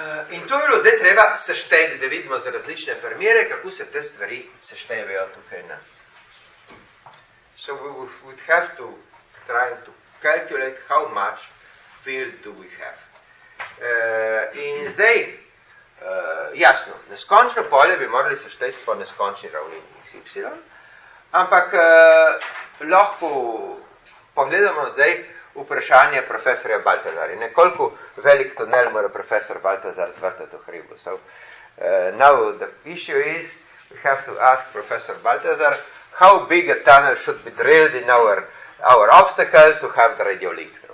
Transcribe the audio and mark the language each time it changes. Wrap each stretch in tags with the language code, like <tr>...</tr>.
<sl>In to bilo zdaj treba sešteti, da vidimo za različne primere, kako se te stvari seštevajo tukaj na.</sl> <en>So we would have to try to calculate how much field do we have.</en> <sl>In zdaj, jasno, neskončno polje bi morali sešteti po neskončni ravnini x, y, ampak lahko pogledamo zdaj vprašanje profesorja Baltazarja. Nekoliko velik tunel mora profesor Baltazar zvrtati v hribu.</sl> <en>So, now the issue is, we have to ask Professor Baltazar, how big a tunnel should be drilled in our obstacle to have the radio link.</en>